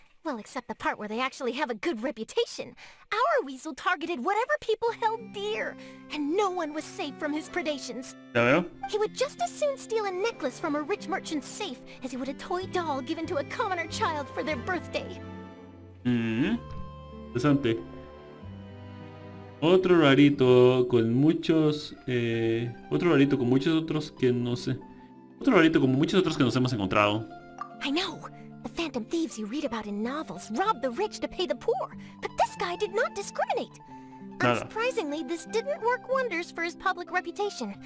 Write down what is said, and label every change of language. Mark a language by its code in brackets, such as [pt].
[en] Well, except the part where they actually have a good reputation. Our weasel targeted whatever people held dear, and no one was safe from his predations. Hello? He would just as soon steal a necklace from a rich merchant's safe as he would a toy doll given to a commoner child for their birthday. [es] Interesante. Otro rarito con muchos otro rarito con muchos otros que nos hemos encontrado. [en] I know. The phantom thieves you read about in novels rob the rich to pay the poor, but this guy did not discriminate. Unsurprisingly, this didn't work wonders for his public reputation.